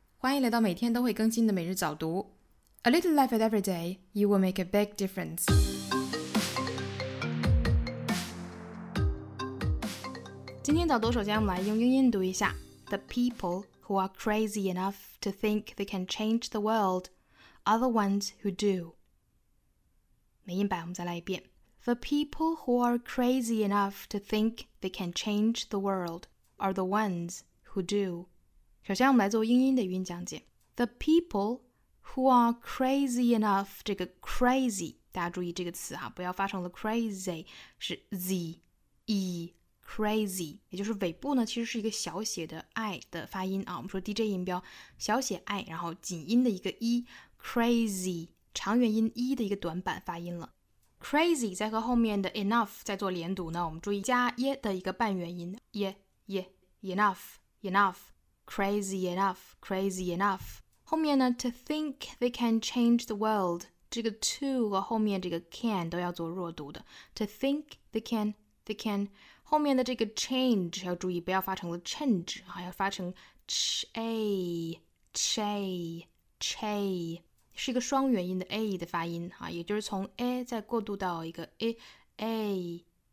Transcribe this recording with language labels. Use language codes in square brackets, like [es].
[zh] 欢迎来到每天都会更新的每日早读。 [en] A little life at every day, you will make a big difference. [zh] 今天早读首先我们来用英音读一下。 [en] The people who are crazy enough to think they can change the world are the ones who do. [zh] 没音版我们再来一遍。 [en] The people who are crazy enough to think they can change the world are the ones who do. [zh] 首先我们来做英音的语音讲解。 [en] The people who are crazy enough, [zh] 这个 crazy, 大家注意这个词啊，不要发成了 crazy, 是 z-e, crazy, 也就是尾部呢其实是一个小写的 i 的发音啊，我们说 DJ 音标小写 i, 然后紧音的一个 e, crazy, 长元音 e 的一个短板发音了。 crazy 再和后面的 enough 再做连读呢，我们注意加 ye 的一个半元音 ye, ye, enough, enough, [en] Crazy enough, crazy enough. [zh] 后面呢 [en] to think they can change the world. [zh] 这个 to 和后面这个 can 都要做弱读的。 [en] To think they can. [zh] 后面的这个 change 要注意不要发成了 change, 要发成 che, 是一个双元音的 a 的发音、啊、也就是从 a 再过渡到一个 che.